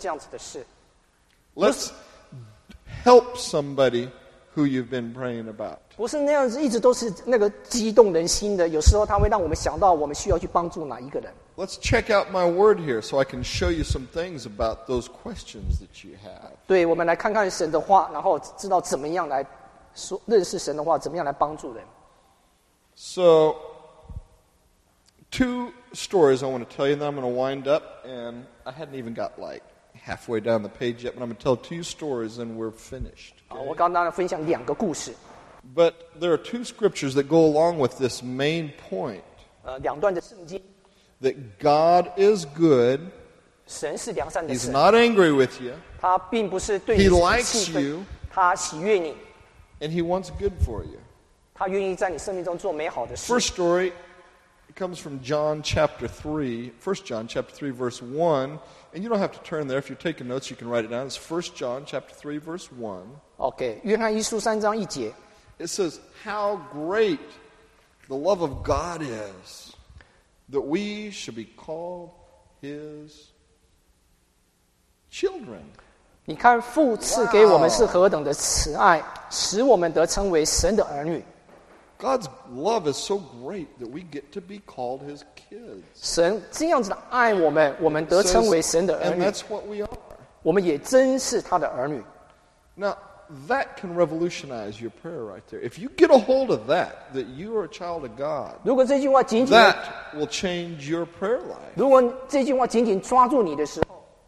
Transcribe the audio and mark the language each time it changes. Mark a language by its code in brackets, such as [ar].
[zh] 对，所以在祷告的时候，有时候神也会做这样子的事。 [en] Let's help somebody who you've been praying about. [zh] 不是那样子，一直都是那个激动人心的。有时候他会让我们想到，我们需要去帮助哪一个人。 [en] Let's check out my word here, so I can show you some things about those questions that you have. [zh] 对，我们来看看神的话，然后知道怎么样来。认识神的话，怎么样来帮助人？ [en] So, two stories I want to tell you, and then I'm going to wind up. And I hadn't even got like halfway down the page yet, but I'm going to tell two stories, and we're finished. [zh] Okay? 我刚刚分享两个故事。 [en] But there are two scriptures that go along with this main point. [zh] 两段的圣经。 [en] That God is good. [zh] 神是良善的神。 [en] He's not angry with you. [zh] 他并不是对你气愤。 [en] He likes you. [zh] 他喜悦你。 [en] And he wants good for you. First story, it comes from John chapter 3. 1 John chapter 3, verse 1. And you don't have to turn there. If you're taking notes, you can write it down. It's 1 John chapter 3, verse 1. [zh] Okay, 约翰一书三章一节. [en] It says, how great the love of God is that we should be called his children. [zh] 你看父赐给我们是何等的慈爱，使我们得称为神的儿女。 [en] God's love is so great that we get to be called His kids. [zh] 神这样子的爱我们，我们得称为神的儿女。 [en] And that's what we are. [zh] 我们也真是他的儿女。 [en] Now that can revolutionize your prayer right there. If you get a hold of that you are a child of God, [zh] 如果这句话仅仅 [en] that will change your prayer life. [zh] 如果这句话仅仅抓住你的时候。